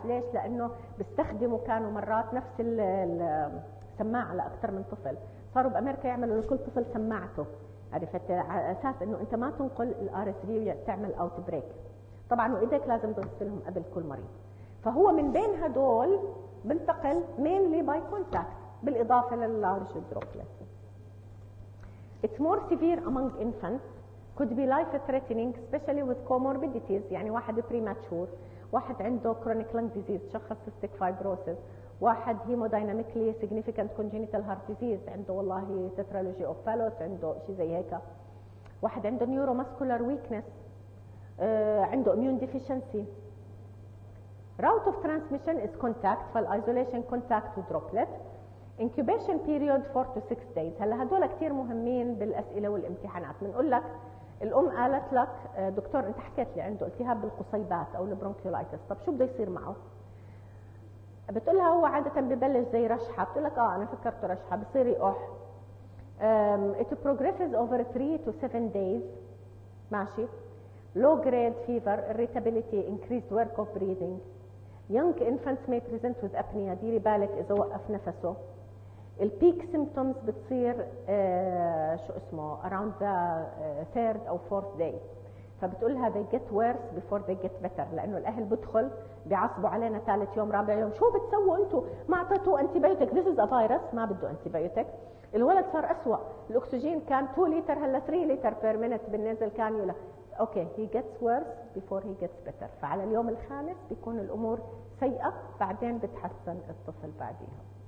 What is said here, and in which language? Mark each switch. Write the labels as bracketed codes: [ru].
[ar] ليش؟ لانه بيستخدموا كانوا مرات نفس السماعه لاكثر من طفل، صاروا بامريكا يعملوا لكل طفل سماعته، عرفت، على اساس انه انت ما تنقل الار اس في وتعمل اوت بريك. طبعا وايدك لازم تغسلهم قبل كل مريض. فهو من بين هدول بنتقل [en] mainly by contact [ar] بالاضافه لللارج دروبلت. [en] It's more severe among infants. Could be life threatening especially with comorbidities. [ar] يعني واحد بريماتشور، واحد عنده كرونيك لنج ديزيز، شخص سيستيك فايبروسيس، واحد هيمودايناميكلي سيجنيفيكانت كونجنيتال هارت ديزيز، عنده والله تترولوجي اوف فالوس، عنده شيء زي هيك، واحد عنده نيورو ماسكولار ويكنس، عنده اميون ديفيشنسي. [en] route of transmission is contact, [ar] فالايزوليشن كونتاكت ودروبلت. [en] Incubation period 4 to 6 days. [ar] هلا هدول كثير مهمين بالاسئله والامتحانات. بنقول لك الام قالت لك دكتور انت حكيت لي عنده التهاب بالقصيبات او البرونكيولايتس، طب شو بده يصير معه؟ بتقول لها هو عاده ببلش زي رشحه، بتقول لك انا فكرته رشحه، بصير يقح. [en] It progresses over 3 to 7 days. [ar] ماشي. [en] Low grade fever, irritability, increased work of breathing. Young infants may present with apnea. [ar] ديري بالك اذا وقف نفسه. البيك سيمبتومز بتصير شو اسمه [en] around the third or fourth day. [ar] فبتقولها [en] they get worse before they get better، [ar] لانه الاهل بدخل بيعصبوا علينا ثالث يوم رابع يوم، شو بتسووا انتوا؟ ما اعطيتوا انتيبيوتيك، [en] this is a virus، [ar] ما بده انتيبيوتيك. الولد صار أسوأ، الاكسجين كان 2 لتر هلا 3 لتر بير مينت بالنزل كانيولا. اوكي، [en] he gets worse before he gets better, [ar] فعلى اليوم الخامس بيكون الامور سيئه، بعدين بتحسن الطفل بعديها.